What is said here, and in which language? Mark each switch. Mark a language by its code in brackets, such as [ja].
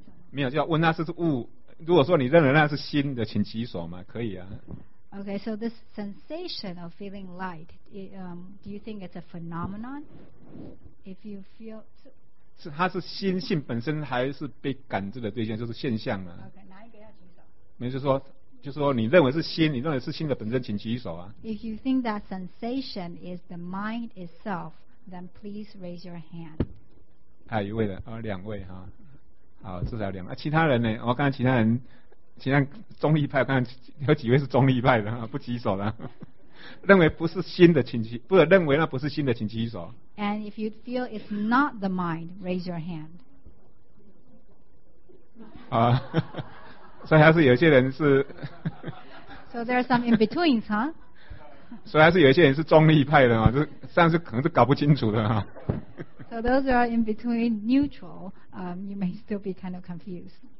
[zh] 没有，就要问那是物。如果说你认为那是心的，请举手嘛，可以啊。 [en] Okay, so this sensation of feeling light, do you think it's a phenomenon? If you feel... [zh] 是它是心性本身还是被感知的对象，就是现象啊。 Okay, 哪一个要举手？没事说。就是说你认为是心，你认为是心的本身，请举手啊。 [en] If you think that sensation is the mind itself, then please raise your hand. [zh] 还有一位的，哦，两位哈，好，至少两位。啊，其他人呢？我看其他人，其他中立派，我看有几位是中立派的，不举手的。认为不是心的请举，不是认为那不是心的请举手。 [en] And if you feel it's not the mind, raise your hand. [zh] 啊。所以还是有些人是 [en] So there are some in betweens, huh? [zh] 所以还是有些人是中立派的嘛，就上次可能是搞不清楚的哈。 [en] So those who are in between neutral, you may still be kind of confused.